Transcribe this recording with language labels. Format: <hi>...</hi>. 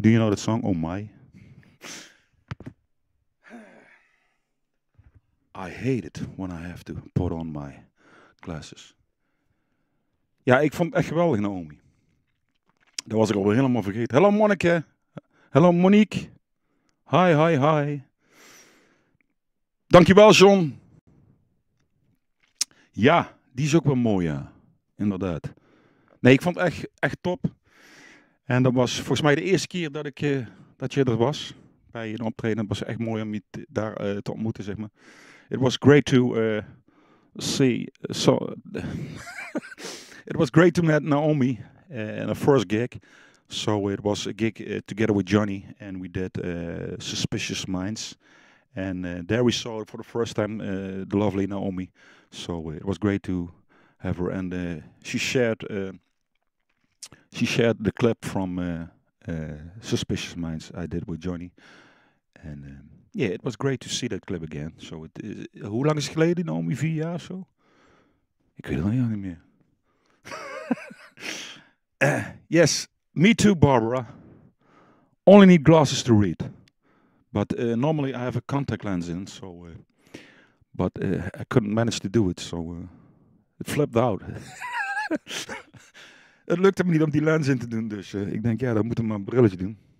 <en>Do you know the song, Oh My? I hate it when I have to put on my glasses.</en> <nl>Ja, ik vond het echt geweldig, Naomi. Dat was ik alweer helemaal vergeten.</nl> <en>Hello, Monique. Hello, Monique. Hi, hi, hi. Dankjewel, John.</en> <nl>Ja, die is ook wel mooi, ja. Inderdaad. Nee, ik vond het echt top. En dat was volgens mij de eerste keer dat ik dat je er was bij een optreden. Het was echt mooi om je daar te ontmoeten, zeg maar.</nl> <en>It was great to see. So it was great to meet Naomi in a first gig. So it was a gig together with Johnny, and we did Suspicious Minds. And there we saw for the first time the lovely Naomi. So it was great to have her, and she shared. She shared the clip from Suspicious Minds I did with Johnny. And yeah, it was great to see that clip again.</en> <nl>So, hoe lang is het geleden, Naomi? 4 jaar of zo? Ik weet het nog niet meer.</nl> <en>Yes, me too, Barbara. Only need glasses to read. But normally I have a contact lens in, so. But I couldn't manage to do it, so. It flipped out.</en> <nl>Het lukte me niet om die lens in te doen, dus ik denk, ja, dan moeten we maar een brilletje doen.</nl>